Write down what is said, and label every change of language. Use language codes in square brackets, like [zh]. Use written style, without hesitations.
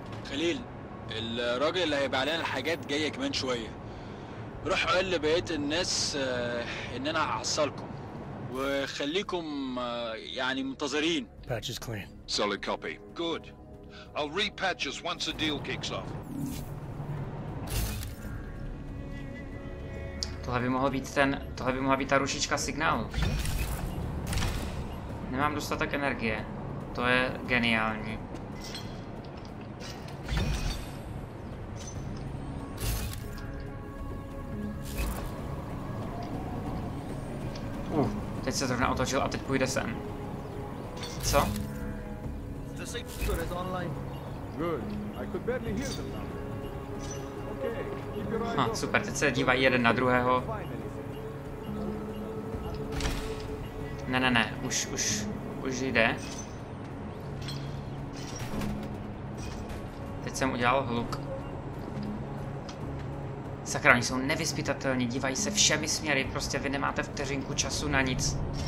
[ar] خليل، الراجل اللي هيبقى علينا الحاجات جاية كمان شوية. روح قول لبقية الناس ان انا هعصلكم. وخليكم يعني منتظرين. [en] Patch is clean. Solid copy. Good. I'll repatch us once the deal kicks off. [cs] Tohle by mohla být ta rušička signálu. Nemám dostatek energie. To je geniální. Teď se zrovna otočil a teď půjde sem. Co? [en] The safe store is online. Good. I could barely hear them now. [cs] Ha, super, teď se dívají jeden na druhého. Ne, už jde. Teď jsem udělal hluk. Sakra, oni jsou nevyzpytatelní, dívají se všemi směry, prostě vy nemáte vteřinku času na nic.